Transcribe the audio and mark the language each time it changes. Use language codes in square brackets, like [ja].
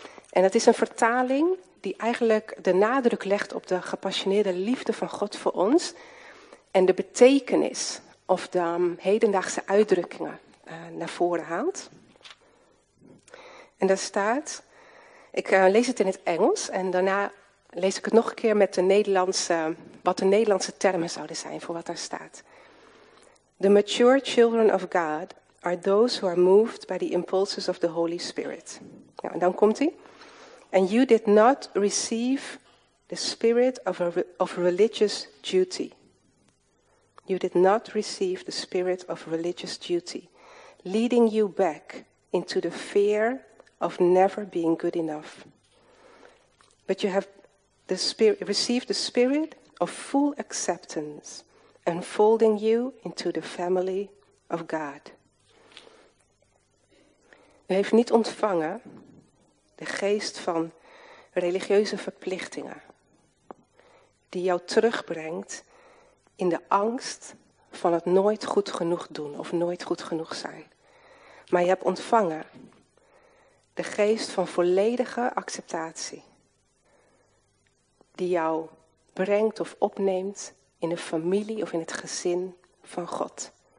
[nl] En dat is een vertaling die eigenlijk de nadruk legt op de gepassioneerde liefde van God voor ons en de betekenis of de hedendaagse uitdrukkingen naar voren haalt. En daar staat... Ik lees het in het Engels en daarna lees ik het nog een keer met de Nederlandse... wat de Nederlandse termen zouden zijn voor wat daar staat. [en] The mature children of God are those who are moved by the impulses of the Holy Spirit. [nl] Nou, en dan komt-ie. [en] And you did not receive the spirit of religious duty. You did not receive the spirit of religious duty, leading you back into the fear of never being good enough. But you have the spirit, received the spirit of full acceptance, enfolding you into the family of God. [nl] U heeft niet ontvangen de geest van religieuze verplichtingen, die jou terugbrengt in de angst van het nooit goed genoeg doen of nooit goed genoeg zijn. Maar je hebt ontvangen de geest van volledige acceptatie, die jou brengt of opneemt in de familie of in het gezin van God.